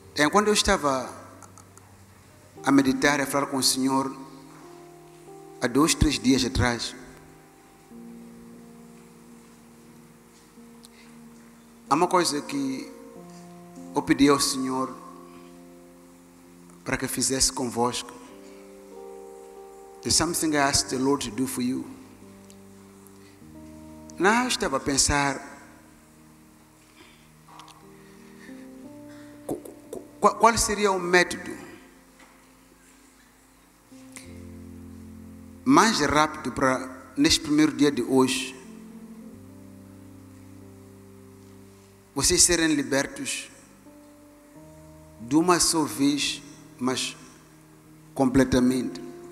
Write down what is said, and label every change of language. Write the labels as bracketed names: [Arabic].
[Portuguese] Quando eu estava a meditar, a falar com o Senhor, há 2, 3 dias atrás, há uma coisa que eu pedi ao Senhor para que fizesse convosco. [English] There's something I asked the Lord to do for you. [Portuguese] Não, eu estava a pensar qual seria o método mais rápido para neste primeiro dia de hoje vocês serem libertos de uma só vez, mas completamente.